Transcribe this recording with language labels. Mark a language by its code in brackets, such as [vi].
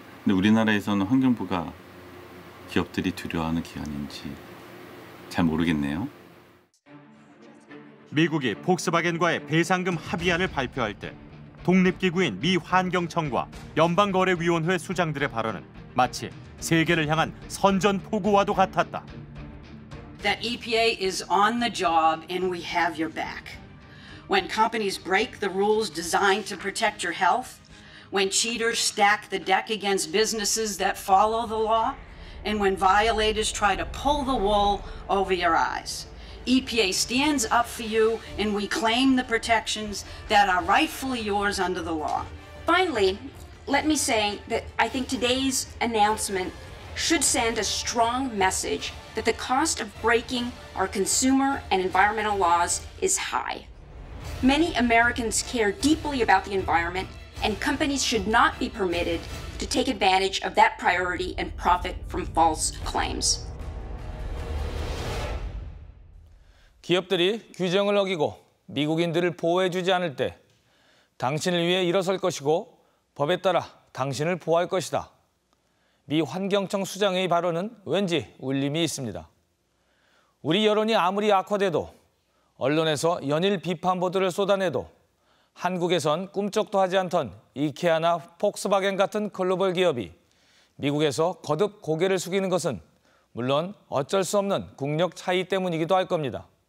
[ko] 근데 우리나라에서는 환경부가 기업들이 두려워하는 기관인지 잘 모르겠네요. 미국이 폭스바겐과의 배상금 합의안을 발표할 때 독립기구인 미 환경청과 연방거래위원회 수장들의 발언은 마치 세계를 향한 선전포고와도 같았다. [en] That EPA is on the job and we have your back. When companies break the rules designed to protect your health, when cheaters stack the deck against businesses that follow the law, and when violators try to pull the wool over your eyes. EPA stands up for you and we claim the protections that are rightfully yours under the law. Finally, let me say that I think today's announcement should send a strong message that the cost of breaking our consumer and environmental laws is high. Many Americans care deeply about the environment and companies should not be permitted to take advantage of that priority and profit from false claims. [ko] 기업들이 규정을 어기고 미국인들을 보호해주지 않을 때 당신을 위해 일어설 것이고 법에 따라 당신을 보호할 것이다. 미 환경청 수장의 발언은 왠지 울림이 있습니다. 우리 여론이 아무리 악화돼도 언론에서 연일 비판 보도를 쏟아내도 한국에선 꿈쩍도 하지 않던 이케아나 폭스바겐 같은 글로벌 기업이 미국에서 거듭 고개를 숙이는 것은 물론 어쩔 수 없는 국력 차이 때문이기도 할 겁니다.